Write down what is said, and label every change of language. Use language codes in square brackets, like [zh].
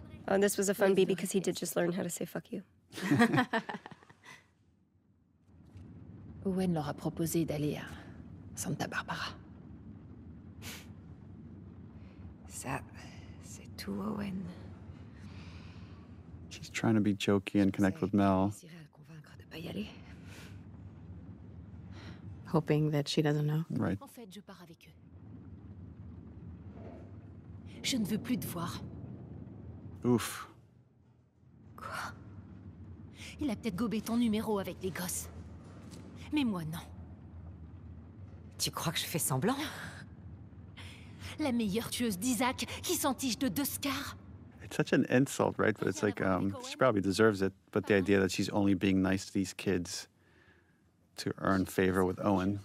[en] Oh, and this was a fun beat because he did just learn how to say fuck you. [fr] Owen leur a proposé d'aller à Santa Barbara. Ça, c'est tout, Owen. [en] She's trying to be jokey and connect with Mel. Hoping that she doesn't know. Right. [fr] En fait, je pars avec eux. Je ne veux plus te voir. Ouf. Quoi? Il a peut-être gobé ton numéro avec les gosses. Mais moi, non. Tu crois que je fais semblant? La meilleure tueuse d'Isaac qui s'entiche de deux scars. [en] It's such an insult, right? But it's like, she probably deserves it. But the idea that she's only being nice to these kids to earn favor with Owen.